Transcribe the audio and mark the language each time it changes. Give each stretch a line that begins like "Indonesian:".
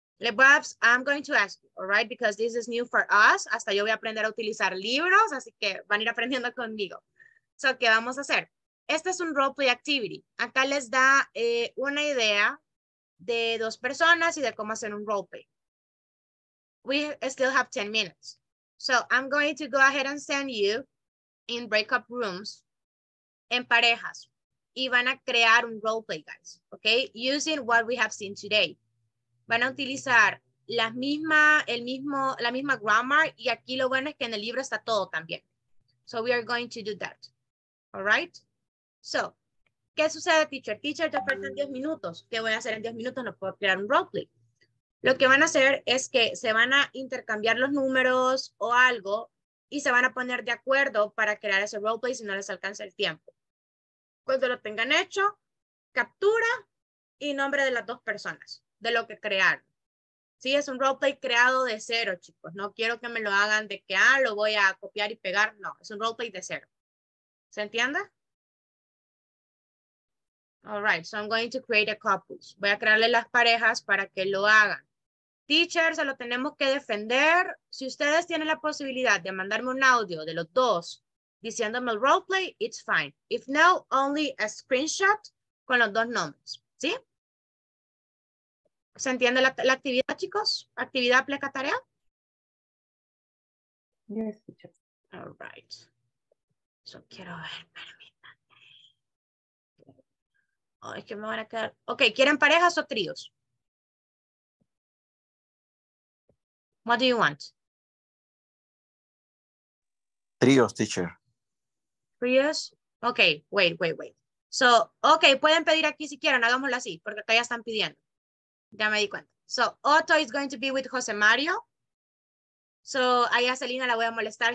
English: I'm going to ask you, all right, because this is new for us.
Spanish: Hasta yo voy a aprender a utilizar libros, así que van a ir aprendiendo conmigo. So, ¿qué vamos a hacer? Este es un role play activity. Acá les da una idea de 2 personas y de cómo hacer un roleplay.
English: We still have 10 minutes. So I'm going to go ahead and send you in breakout rooms,
Spanish: en parejas, y van a crear un roleplay,
English: guys, okay? Using what we have seen today.
Spanish: Van a utilizar la misma grammar, y aquí lo bueno es que en el libro está todo también.
English: So we are going to do that, all right?
Spanish: So, ¿qué sucede, teacher? Teacher, te faltan 10 minutos. ¿Qué voy a hacer en 10 minutos? No puedo crear un roleplay. Lo que van a hacer es que se van a intercambiar los números o algo y se van a poner de acuerdo para crear ese roleplay si no les alcanza el tiempo. Cuando lo tengan hecho, captura y nombre de las 2 personas, de lo que crearon. Sí, es un roleplay creado de cero, chicos. No quiero que me lo hagan de que, ah, lo voy a copiar y pegar. No, es un roleplay de cero. ¿Se entiende?
English: All right, so I'm going to create a couples.
Spanish: Voy a crearle las parejas para que lo hagan. Teacher, se lo tenemos que defender. Si ustedes tienen la posibilidad de mandarme un audio de los 2 diciéndome el roleplay,
English: it's fine. If no, only a screenshot
Spanish: con los 2 nombres, ¿sí? ¿Se entiende la actividad, chicos? ¿Actividad pleca tarea?
English: Yes, teacher.
Spanish: All right. So quiero ver, permítanme. Oh, es que me van a quedar. Ok, ¿quieren parejas o tríos?
English: What do you want?
Spanish: Tríos, teacher. ¿Tríos? Ok, wait. So, ok, pueden pedir aquí si quieren, hagámoslo así, porque acá ya están pidiendo. Ya me di cuenta.
English: So, Otto is going to be with José Mario.
Spanish: So, ahí a Selena la voy a molestar.